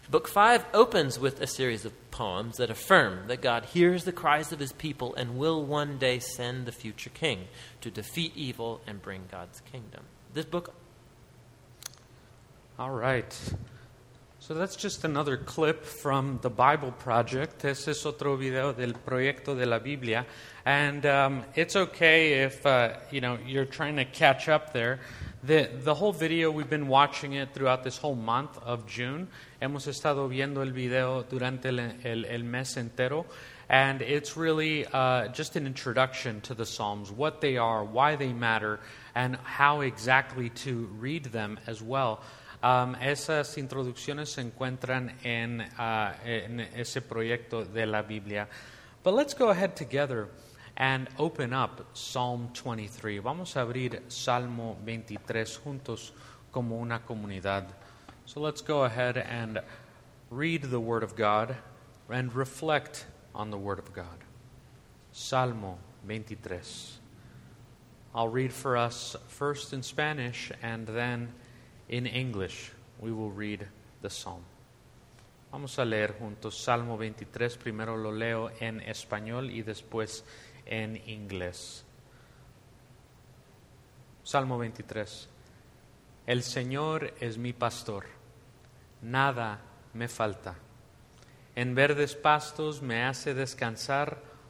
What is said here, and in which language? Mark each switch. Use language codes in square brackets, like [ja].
[en] Book 5 opens with a series of poems that affirm that God hears the cries of his people and will one day send the future king to defeat evil and bring God's kingdom. This book... All right. So that's just another clip from the Bible Project. [es] Ese es otro video del proyecto de la Biblia. [en] And it's okay if, you know, you're trying to catch up there. The whole video, we've been watching it throughout this whole month of June. [es] Hemos estado viendo el video durante el mes entero. [en] And it's really just an introduction to the Psalms, what they are, why they matter, and how exactly to read them as well. [es] Esas introducciones se encuentran en ese proyecto de la Biblia. [en] But let's go ahead together and open up Psalm 23. [es] Vamos a abrir Salmo 23 juntos como una comunidad. [en] So let's go ahead and read the Word of God and reflect on the Word of God. [es] Salmo 23. [en] I'll read for us first in Spanish and then in English. We will read the psalm. [es] Vamos a leer juntos Salmo 23. Primero lo leo en español y después en inglés. Salmo 23. El Señor es mi pastor. Nada me falta. En verdes pastos me hace descansar.